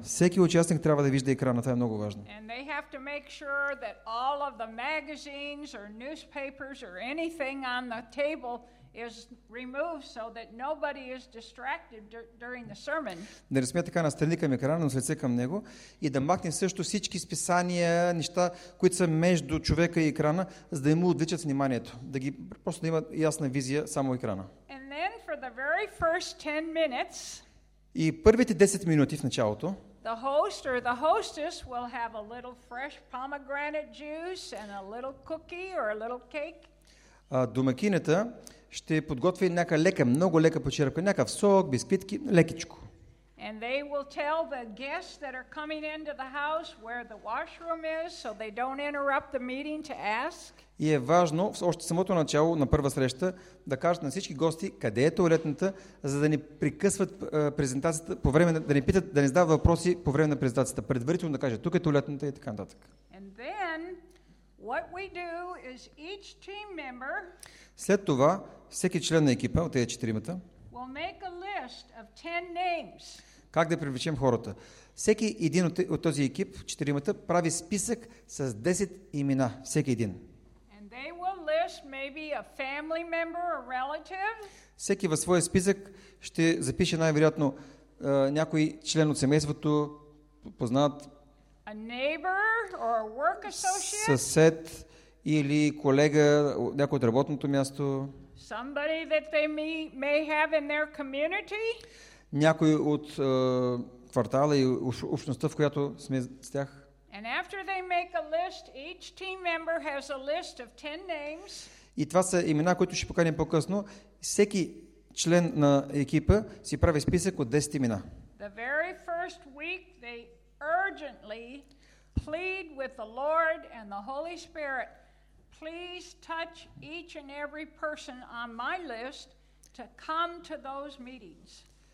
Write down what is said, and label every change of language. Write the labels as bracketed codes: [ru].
[bg] Всеки участник трябва да вижда екрана, това е много важно. [en] And they have to make sure that all of the magazines or newspapers or anything on the table is removed so that nobody is distracted during the sermon. [bg] Да не сме така настрани към екрана, но с лице към него и да махнем също всички списания, неща, които са между човека и екрана, за да му отвлечат вниманието, да ги просто да имат ясна визия само екрана. [en] And then for the very first 10 minutes. [bg] И първите 10 минути в началото. [en] The host or the hostess will have a little fresh pomegranate juice and a little cookie or a little cake. [bg] Домакинята ще подготви някаква лека, много лека почерпка, някакъв сок, бисквитки, лекичко. [en] And they will tell the guests that are coming into the house where the washroom is so they don't interrupt the meeting to ask. [bg] И е важно в още самото начало на първа среща да кажат на всички гости къде е туалетната, за да не прекъсват презентацията по време на, да не питат, да не задават въпроси по време на презентацията. Предварително да кажат тук е туалетната и така нататък. [en] And then what we do is each team member. [bg] След това всеки член на екипа от тези четиримата [en] will make a list of 10 names. [bg] Как да привлечем хората? Всеки един от този екип, четиримата, прави списък с 10 имена, всеки един. [en] And they will list maybe a family member or relative. [bg] Всеки във своя списък ще запише най-вероятно някой член от семейството, познат, [en] a neighbor or a work associate. [bg] Съсед или колега, някой от работното място. [en] Somebody that they may have in their community. [bg] Някой от квартала и общността, в която сме с тях. [en] And after they make a list, each team member has a list of 10 names. [bg] И това са имена, които ще поканим по-късно. Всеки член на екипа си прави списък от 10 имена. [en] The very first week they urgently plead with the Lord and the Holy Spirit. Please touch each and every person on my list to come to those meetings.